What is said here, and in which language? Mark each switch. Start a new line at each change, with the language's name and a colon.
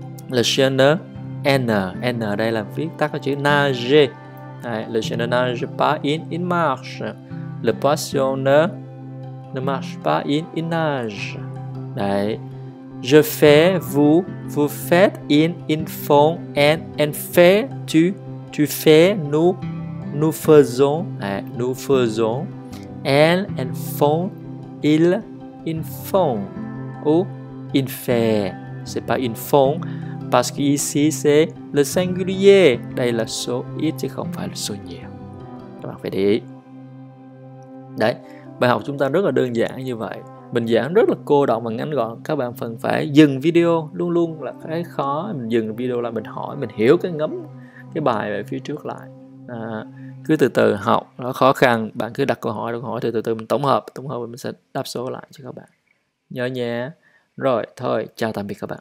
Vietnamese: Le chien ne N đây là viết tắt chữ nage.
French: Le chien ne nage pas, il marche. Le poisson ne marche pas, il nage. Đấy. Je fais, vous faites, in font, and fait, tu fais, nous faisons, nous faisons, elle font, ils font, ou in fait, c'est pas in font, parce qu'ici c'est le singulier,
Vietnamese: đây là số ít chứ không phải là số nhiều. Các bạn phải để ý. Đấy, bài học chúng ta rất là đơn giản như vậy. Mình giảng rất là cô đọng và ngắn gọn, các bạn phần phải dừng video, luôn luôn là cái khó, mình dừng video là mình hỏi, mình hiểu cái ngấm cái bài về phía trước lại. cứ từ từ học, nó khó khăn, bạn cứ đặt câu hỏi thì từ từ mình tổng hợp mình sẽ đáp số lại cho các bạn. Nhớ nhé. Rồi, thôi, chào tạm biệt các bạn.